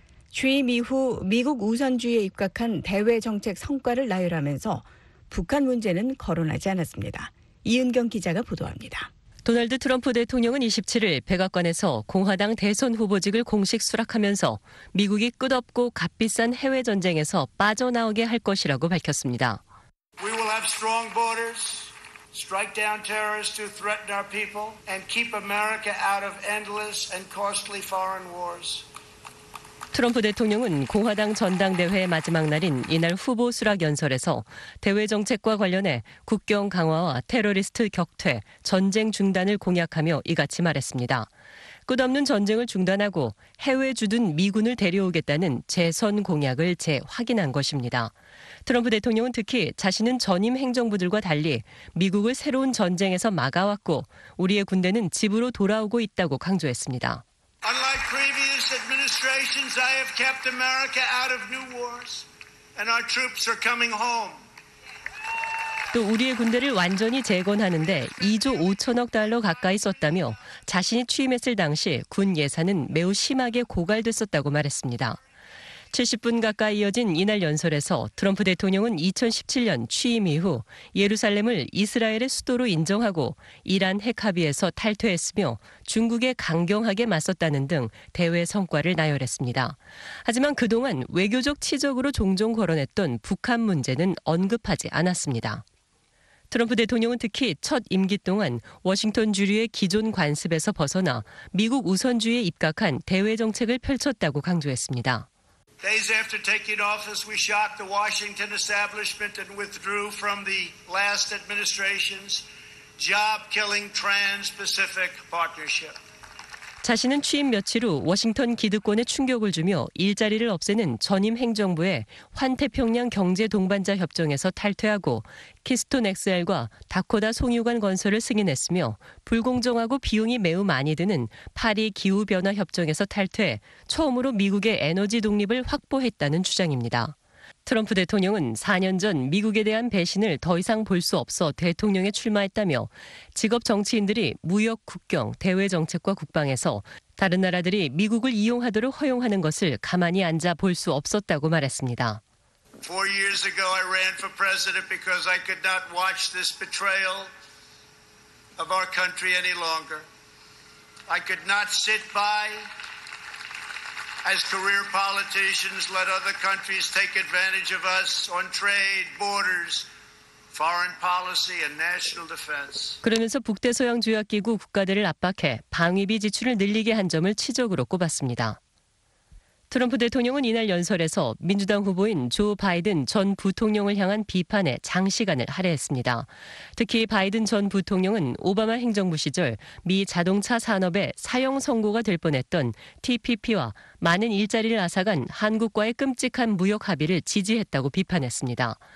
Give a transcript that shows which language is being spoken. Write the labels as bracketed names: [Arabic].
[Korean] 취임 이후 미국 우선주의에 입각한 대외 정책 성과를 나열하면서 북한 문제는 거론하지 않았습니다. 이은경 기자가 보도합니다. 도널드 트럼프 대통령은 27일 백악관에서 공화당 대선 후보직을 공식 수락하면서 미국이 끝없고 값비싼 해외 전쟁에서 빠져나오게 할 것이라고 밝혔습니다. [English] We will have strong borders. Strike down terrorists who threaten our people and keep America out of endless and costly foreign wars. [Korean] 트럼프 대통령은 공화당 전당대회 마지막 날인 이날 후보 수락 연설에서 대외 정책과 관련해 국경 강화와 테러리스트 격퇴, 전쟁 중단을 공약하며 이같이 말했습니다. 끝없는 전쟁을 중단하고 해외 주둔 미군을 데려오겠다는 재선 공약을 재확인한 것입니다. 트럼프 대통령은 특히 자신은 전임 행정부들과 달리 미국을 새로운 전쟁에서 막아왔고 우리의 군대는 집으로 돌아오고 있다고 강조했습니다. [English] Unlike previous administrations, I have kept America out of new wars, and our troops are coming home. [Korean] 또 우리의 군대를 완전히 재건하는데 2조 5천억 달러 가까이 썼다며 자신이 취임했을 당시 군 예산은 매우 심하게 고갈됐었다고 말했습니다. 70분 가까이 이어진 이날 연설에서 트럼프 대통령은 2017년 취임 이후 예루살렘을 이스라엘의 수도로 인정하고 이란 핵 합의에서 탈퇴했으며 중국에 강경하게 맞섰다는 등 대외 성과를 나열했습니다. 하지만 그동안 외교적 치적으로 종종 거론했던 북한 문제는 언급하지 않았습니다. 트럼프 대통령은 특히 첫 임기 동안 워싱턴 주류의 기존 관습에서 벗어나 미국 우선주의에 입각한 대외 정책을 펼쳤다고 강조했습니다. [English] Days after taking office, we shocked the Washington establishment and withdrew from the last administration's job-killing Trans-Pacific Partnership. [Korean] 자신은 취임 며칠 후 워싱턴 기득권에 충격을 주며 일자리를 없애는 전임 행정부의 환태평양 경제 동반자 협정에서 탈퇴하고 키스톤 XL과 다코다 송유관 건설을 승인했으며 불공정하고 비용이 매우 많이 드는 파리 기후변화 협정에서 탈퇴해 처음으로 미국의 에너지 독립을 확보했다는 주장입니다. 트럼프 대통령은 4년 전 미국에 대한 배신을 더 이상 볼 수 없어 대통령에 출마했다며 직업 정치인들이 무역, 국경, 대외 정책과 국방에서 다른 나라들이 미국을 이용하도록 허용하는 것을 가만히 앉아 볼 수 없었다고 말했습니다. 4년 전에 [English] ran for president because I could not watch this betrayal of our country any longer. I could not sit by as career politicians let other countries take advantage of us on trade, borders, foreign policy and national defense. [Korean] 그러면서 북대서양 조약기구 국가들을 압박해 방위비 지출을 늘리게 한 점을 치적으로 꼽았습니다. 트럼프 대통령은 이날 연설에서 민주당 후보인 조 바이든 전 부통령을 향한 비판에 장시간을 할애했습니다. 특히 바이든 전 부통령은 오바마 행정부 시절 미 자동차 산업의 사형 선고가 될 뻔했던 TPP와 많은 일자리를 앗아간 한국과의 끔찍한 무역 합의를 지지했다고 비판했습니다.